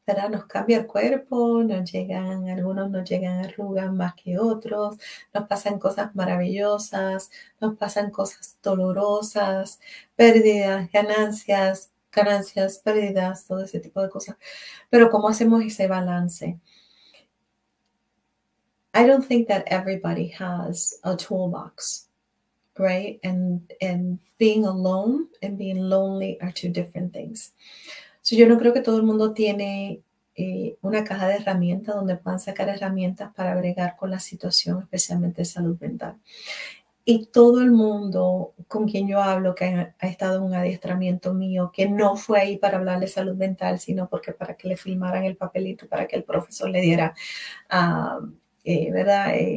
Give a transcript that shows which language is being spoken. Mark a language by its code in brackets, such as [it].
[es] Nos cambia el cuerpo, nos llegan, algunos nos llegan arrugas más que otros, nos pasan cosas maravillosas, nos pasan cosas dolorosas, pérdidas, ganancias, ganancias, pérdidas, todo ese tipo de cosas. Pero ¿cómo hacemos ese balance? [en] I don't think that everybody has a toolbox, right? And being alone and being lonely are two different things. [es] So yo no creo que todo el mundo tiene una caja de herramientas donde puedan sacar herramientas para bregar con la situación, especialmente de salud mental. Y todo el mundo con quien yo hablo, que ha estado en un adiestramiento mío, que no fue ahí para hablar de salud mental, sino porque para que le filmaran el papelito, para que el profesor le diera ¿verdad?